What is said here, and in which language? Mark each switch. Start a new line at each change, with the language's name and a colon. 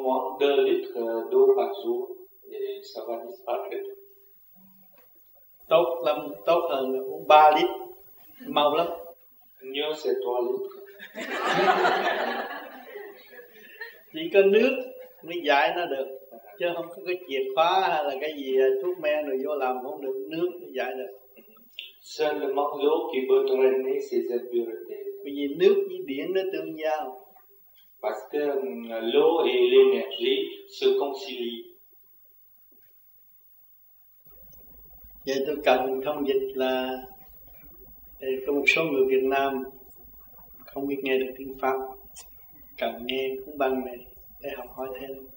French: moins 2 litres d'eau par jour, et ça va disparaître.
Vietnamese: Tốt hơn là uống 3 lít, mau lắm. Nhớ sẽ 3 lít. Chỉ có nước mới giải nó được, chứ không có cái chìa khóa hay là cái gì thuốc men rồi vô làm không được, nước mới giải được.
French: Seulement l'eau qui peut drainer ces impuretés.
Vietnamese: Bởi vì nước với điện nó tương giao.
French: Parce que l'eau et l'énergie se concilient.
Vietnamese: Vậy tôi cần thông dịch là có một số người Việt Nam không biết nghe được tiếng Pháp, cần nghe cuốn băng này để học hỏi thêm.